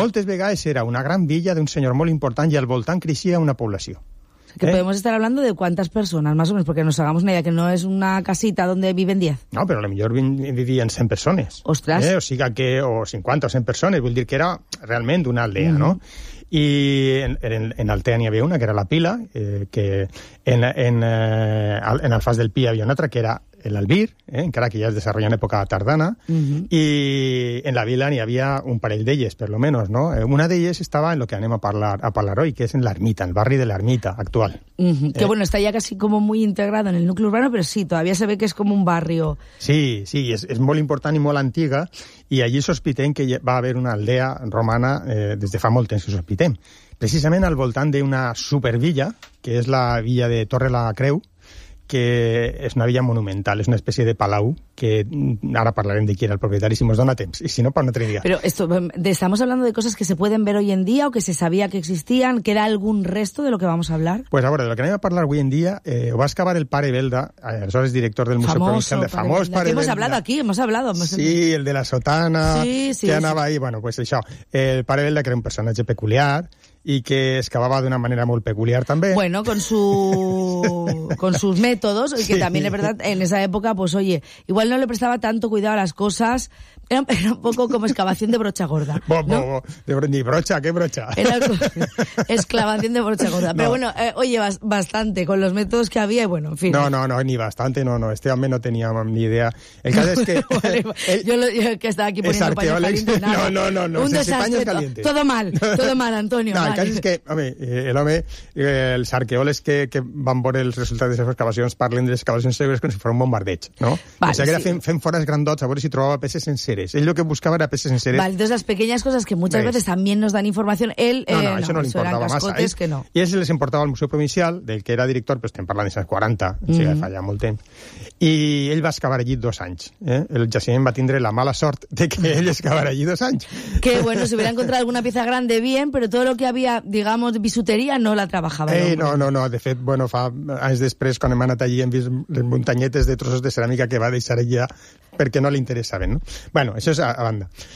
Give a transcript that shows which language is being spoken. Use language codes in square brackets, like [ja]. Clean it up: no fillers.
[ca] Moltes vegades era una gran villa d'un senyor molt important i al voltant creixia una població. [es] Que podemos estar hablando de cuántas personas, más o menos, porque nos hagamos una idea, que no es una casita donde viven 10. No, pero a lo mejor vivían 100 personas. ¡Ostras! O sea, que, o 50 o 100 personas, [ca] vull dir que era [es] realmente una aldea, ¿no? [ca] Y en Altea n'hi havia una, que era La Pila, que en Alfàs del Pi havia una altra, que era l'Albir, encara que ja es desenvolupa en època tardana, i en la vila n'hi havia un parell d'elles, per lo menos, no? Una d'elles estava en lo que anem a parlar hoy, que és en l'Ermita, el barri de l'Ermita actual. Que bueno, està ja quasi com molt integrat en el nucli urbano, però sí, [es] todavía se ve que [ca] és com un barri. Sí, sí, és molt important i molt antiga, i allí sospitem que va haver una aldea romana des de fa molt temps que sospitem. Precisament al voltant d'una supervilla, que és la villa de Torre la Creu, que és una villa monumental, és una espècie de palau, que ara parlarem de qui era el propietari, si mos dona temps, i si no, per un altre dia. Però estamos hablando de coses que se pueden ver hoy en día o que se sabía que existían, que era algun resto de lo que vamos a hablar? [es] Pues ahora, de lo que [ca] anem a parlar hoy en día, ho va excavar el pare Belda, aleshores director del Museu Provincial de [es] Famós, pare Belda. Hemos hablado. Sí, el de la sotana, sí, que sí, [ca] anava sí. [es] Ahí, bueno, pues això. El pare Belda, que era un personatge peculiar, y que excavaba de una manera muy peculiar también. Bueno, con sus métodos, sí. Que también es verdad, en esa época, pues oye, igual no le prestaba tanto cuidado a las cosas, era un poco como excavación de brocha gorda. ¿Qué brocha? Era excavación de brocha gorda. Pero no. Bueno, oye, bastante con los métodos que había y bueno, en fin. No, ni bastante, este hombre no tenía ni idea. El caso es que... yo que estaba aquí poniendo paños calientes, nada. No, un desastre, todo mal, Antonio. [ca] No, el cas és que, home, els arqueòlegs que van veure els resultats de les excavacions parlen de les excavacions seves com si fos un bombardeig, no? Val, o sigui, que era fent forats grandots a veure si trobava peces senceres. Ell el que buscava era peces senceres. Val, doncs les petites coses que moltes vegades també ens donen informació, això no li importava massa. No. I ells les importava al Museu Provincial, del que era director, però estem parlant de les 40, fa ja molt temps. I ell va excavar allí 2 anys. El jaciment va tindre la mala sort de que ell excavara allí 2 anys. [es] Que, bueno, si hubiera encontrado alguna pieza grande, bien, pero todo lo que havia, digamos, bisuteria, no la trabajava. No. [ca] De fet, bueno, fa anys després, quan hem anat allí, hem vist les muntanyetes de trossos de ceràmica que va deixar allà perquè no li interessaven, no? Bueno, això és a banda.